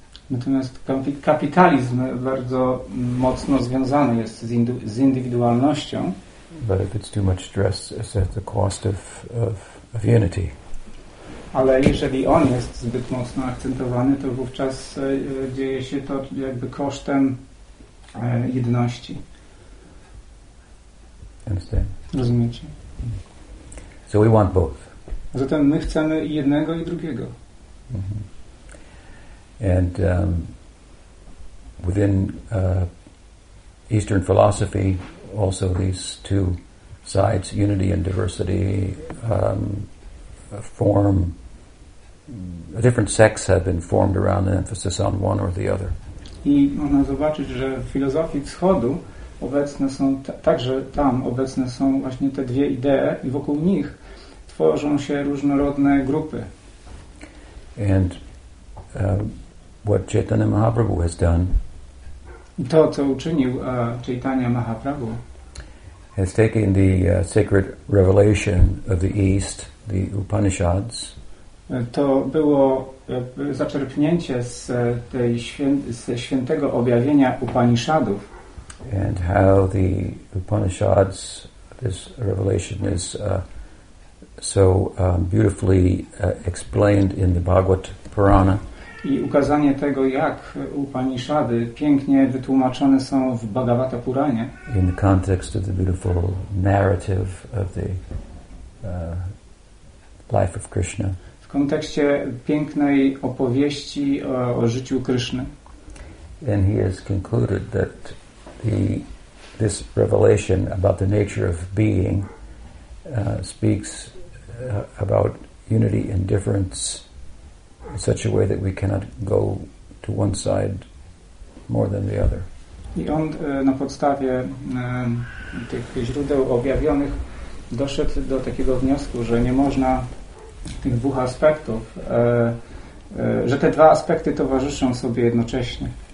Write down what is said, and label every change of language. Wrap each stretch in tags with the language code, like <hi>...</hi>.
<pl>Natomiast kapitalizm bardzo mocno związany jest z indywidualnością.</pl> <en>But if it's too much stress, it's at the cost of unity.</en> <pl>Ale jeżeli on jest zbyt mocno akcentowany, to wówczas dzieje się to jakby kosztem jedności.</pl> <en>Understand.</en> <pl>Rozumiecie?</pl> <en>So we want both.</en> <pl>Zatem my chcemy jednego i drugiego. Mm-hmm.</pl> <en>And within Eastern philosophy, also these two sides, unity and diversity, form different sects have been formed around an emphasis on one or the other.</en> <pl>I można zobaczyć, że w filozofii wschodu obecne są także tam obecne są właśnie te dwie idee, i wokół nich tworzą się różnorodne grupy.</pl> <en>And what Chaitanya Mahaprabhu has done,</en> <pl>to, co uczynił Chaitanya Mahaprabhu,</pl> <en>has taken the sacred revelation of the East, the Upanishads,</en> <pl>to było zaczerpnięcie z tej świętego objawienia Upanishadów,</pl> <en>and how the Upanishads, this revelation is so beautifully explained in the Bhagavat Purana.</en> <pl>I ukazanie tego, jak Upaniszady pięknie wytłumaczone są w Bhagavata Puranie.</pl> <en>In the context of the beautiful narrative of the life of Krishna.</en> <pl>W kontekście pięknej opowieści o życiu Kryszny.</pl> <en>And he has concluded that this revelation about the nature of being speaks about unity and difference in such a way that we cannot go to one side more than the other.</en> <pl>I on na podstawie tych źródeł objawionych doszedł do takiego wniosku, że nie można tych dwóch aspektów, że te dwa aspekty towarzyszą sobie jednocześnie.</pl>